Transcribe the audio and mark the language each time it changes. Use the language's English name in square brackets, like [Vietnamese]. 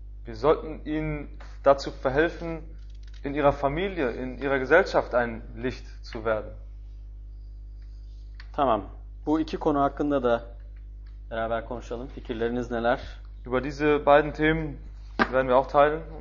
[German] Wir sollten ihnen dazu verhelfen, in ihrer Familie, in ihrer Gesellschaft ein Licht zu werden. [Turkish] Tamam. Bu iki konu hakkında da beraber konuşalım. Fikirleriniz neler? [German] Über diese beiden Themen werden wir auch teilen.